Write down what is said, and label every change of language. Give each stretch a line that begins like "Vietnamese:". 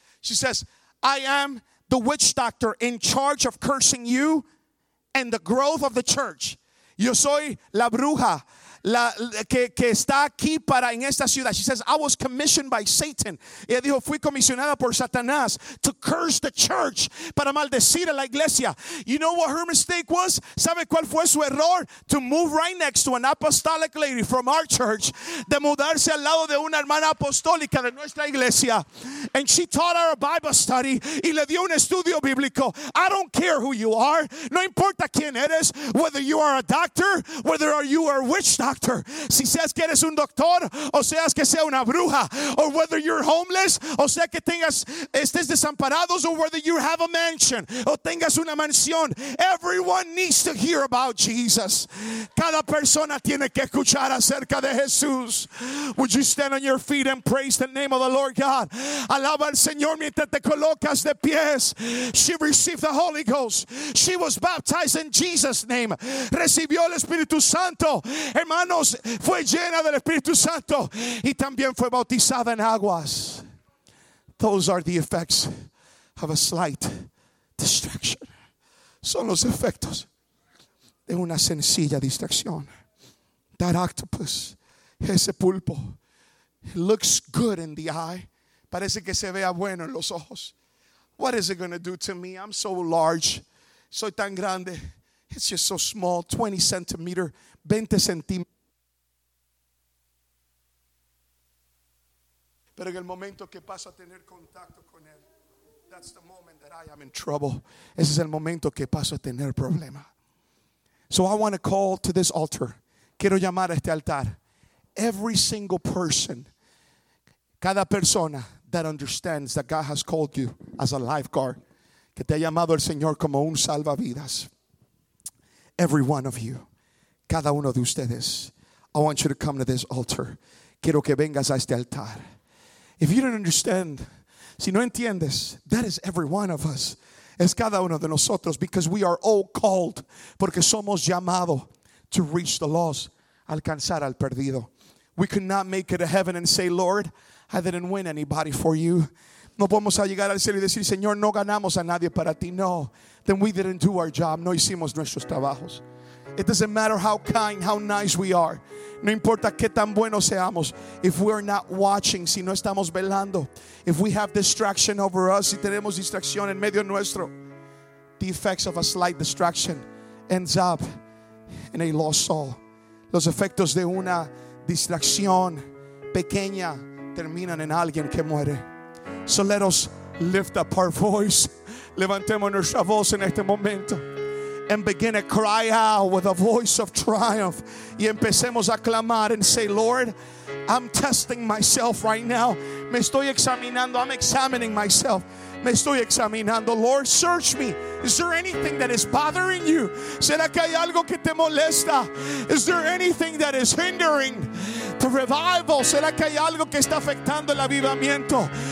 English: She says, I am the witch doctor in charge of cursing you and the growth of the church.
Spanish: Yo soy la bruja, la, que está aquí para en esta ciudad.
English: She says, I was commissioned by Satan.
Spanish: Ella dijo, fui comisionada por Satanás
English: to curse the church,
Spanish: para maldecir a la iglesia.
English: You know what her mistake was?
Spanish: ¿Sabe cuál fue su error?
English: To move right next to an apostolic lady from our church,
Spanish: de mudarse al lado de una hermana apostólica de nuestra iglesia.
English: And she taught her a Bible study
Spanish: y le dio un estudio bíblico.
English: I don't care who you are.
Spanish: No importa quién eres,
English: whether you are a doctor, whether you are a witch doctor,
Spanish: si seas que eres un doctor o seas que sea una bruja,
English: or whether you're homeless,
Spanish: o sea que tengas, estés desamparados,
English: or whether you have a mansion,
Spanish: o tengas una mansión.
English: Everyone needs to hear about Jesus.
Spanish: Cada persona tiene que escuchar acerca de Jesús.
English: Would you stand on your feet and praise the name of the Lord God?
Spanish: Alaba al Señor mientras te colocas de pies.
English: She received the Holy Ghost. She was baptized in Jesus' name.
Spanish: Recibió el Espíritu Santo. Hermanos, fue llena del Espíritu Santo. Y también fue bautizada en aguas.
English: Those are the effects of a slight distraction.
Spanish: Son los efectos de una sencilla distracción.
English: That octopus,
Spanish: ese pulpo,
English: it looks good in the eye.
Spanish: Parece que se vea bueno en los ojos.
English: What is it going to do to me? I'm so large.
Spanish: Soy tan grande.
English: It's just so small. 20 centimeter, 20 centimeters.
Spanish: Pero en el momento que paso a tener contacto con él,
English: that's the moment that I am in trouble.
Spanish: Ese es el momento que paso a tener problema.
English: So I want to call to this altar.
Spanish: Quiero llamar a este altar.
English: Every single person,
Spanish: cada persona,
English: that understands that God has called you as a lifeguard,
Spanish: que te ha llamado el Señor como un salvavidas.
English: Every one of you,
Spanish: cada uno de ustedes,
English: I want you to come to this altar.
Spanish: Quiero que vengas a este altar.
English: If you don't understand,
Spanish: si no entiendes,
English: that is every one of us.
Spanish: Es cada uno de nosotros,
English: because we are all called,
Spanish: porque somos llamado
English: to reach the lost,
Spanish: alcanzar al perdido.
English: We could not make it to heaven and say, Lord, I didn't win anybody for you.
Spanish: No podemos llegar al cielo y decir, Señor, no ganamos a nadie para ti.
English: No. Then we didn't do our job.
Spanish: No hicimos nuestros trabajos.
English: It doesn't matter how kind, how nice we are.
Spanish: No importa qué tan buenos seamos.
English: If we are not watching,
Spanish: si no estamos velando.
English: If we have distraction over us,
Spanish: si tenemos distracción en medio nuestro.
English: The effects of a slight distraction ends up in a lost soul.
Spanish: Los efectos de una distracción pequeña terminan en alguien que muere.
English: So let us lift up our voice.
Spanish: Levantemos nuestra voz en este momento.
English: And begin to cry out with a voice of triumph.
Spanish: Y empecemos a clamar
English: and say, Lord, I'm testing myself right now.
Spanish: Me estoy examinando.
English: I'm examining myself.
Spanish: Me estoy examinando.
English: Lord, search me. Is there anything that is bothering you?
Spanish: ¿Será que hay algo que te molesta?
English: Is there anything that is hindering the revival?
Spanish: ¿Será que hay algo que está afectando el avivamiento?